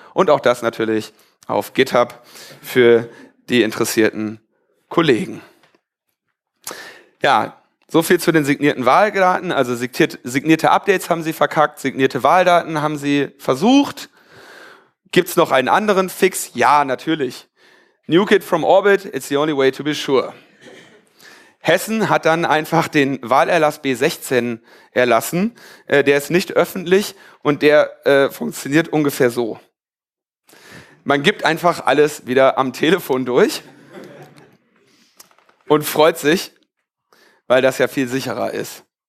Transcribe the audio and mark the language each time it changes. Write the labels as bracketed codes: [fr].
[de] Und auch das natürlich auf GitHub für die interessierten Kollegen. Ja, so viel zu den signierten Wahldaten. Also signierte Updates haben sie verkackt, signierte Wahldaten haben sie versucht. Gibt's noch einen anderen Fix? Ja, natürlich. [en] Nuke it from orbit, it's the only way to be sure. [de] Hessen hat dann einfach den Wahlerlass B16 erlassen. Der ist nicht öffentlich und der funktioniert ungefähr so. Man gibt einfach alles wieder am Telefon durch und freut sich, weil das ja viel sicherer ist.